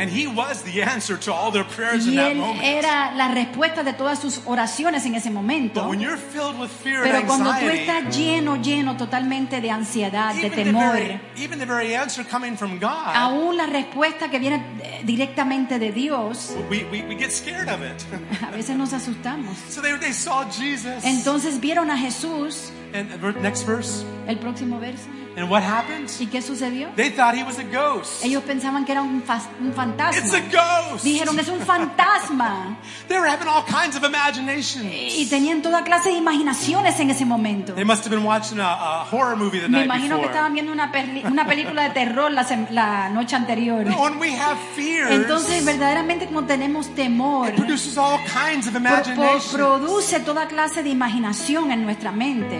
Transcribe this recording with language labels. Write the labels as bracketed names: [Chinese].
[English] and he was the answer to all their prayers in that moment. [Spanish] Y él era la respuesta de todas sus oraciones en ese momento. [English] But when you're filled with fear and anxiety, [Spanish] pero cuando tú estás lleno totalmente de ansiedad, de temor, [English] even the very answer coming from God, [Spanish] aún la respuesta que viene directamente de Dios, [English] we get scared of it. [Spanish] A veces nos asustamos. [English] So they saw Jesus. [Spanish] Entonces vieron a Jesús. [English] And next verse. [Spanish] El próximo verso. [English] And what happened? [Spanish] ¿Y qué sucedió? [English] They thought he was a ghost. [Spanish] Ellos pensaban que era un fantasma. [English] It's a ghost. [Spanish] Dijeron, es un fantasma. [English] They were having all kinds of imaginations. [Spanish] Y tenían toda clase de imaginaciones en ese momento. [English] They must have been watching a horror movie the night before. [Spanish] Me imagino que estaban viendo una película de terror la noche anterior. [English] No, when we have fears, [Spanish] entonces verdaderamente como tenemos temor, [English] it produces all kinds of imaginations. [Spanish] Produce toda clase de imaginación en nuestra mente.